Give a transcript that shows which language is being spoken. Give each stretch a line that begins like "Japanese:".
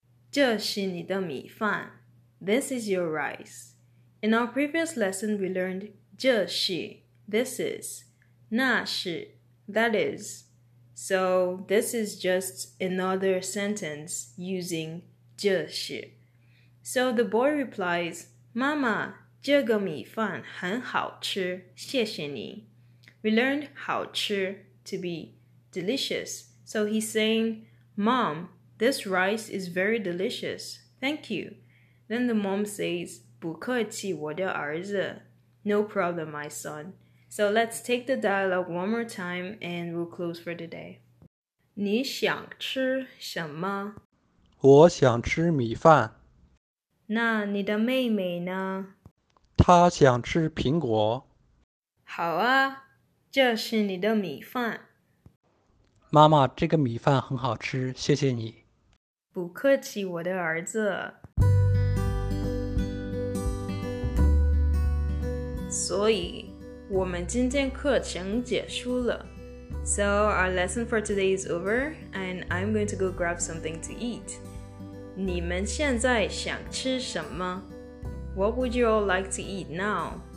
Chinese: 这是你的米饭。
English: This is your rice. In our previous lesson, we learned 这是, this is, 那是, that is. So, this is just another sentence using 这是. So, the boy replies, 妈妈。
Chinese: 这个米饭很好吃,谢谢你。
English: We learned 好吃 to be delicious. So he's saying, Mom, this rice is very delicious. Thank you. Then the mom says,
Chinese: 不客气,我的儿子。
English: No problem, my son. So let's take the dialogue one more time and we'll close for the day.
Chinese: 你想吃什么? 我想吃米饭。那你的妹妹呢? 他想吃苹果。好啊，这是你的米饭。妈妈，这个米饭很好吃，谢谢你。不客气，我的儿子。所以，我们今天课程结束了。
English: So our lesson for today is over, and I'm going to go grab something to eat.
Chinese: 你们现在想吃什么？
English: What would you all like to eat now?